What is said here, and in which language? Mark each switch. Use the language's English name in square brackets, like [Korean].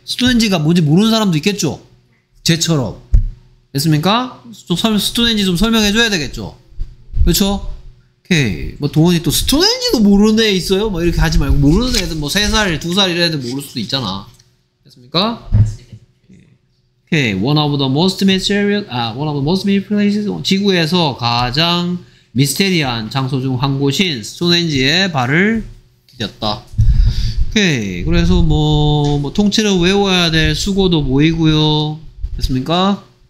[Korean] 스톤헨지가 뭔지 모르는 사람도 있겠죠? 제처럼. 됐습니까? 스톤헨지 좀 설명해줘야 되겠죠? 그렇죠? 오케이. 뭐 동원이 또 스톤헨지도 모르는 애 있어요? 뭐 이렇게 하지 말고. 모르는 애들 뭐 3살, 2살 이런 애들 모를 수도 있잖아. 됐습니까? [English] One of the most mysterious, one of the most mysterious places. [Korean] 지구에서 가장 미스테리한 장소 중 한 곳인 스톤헨지에 발을 디뎠다. 오케이. 그래서 뭐 통째로 외워야 될 수고도 보이고요. 됐습니까?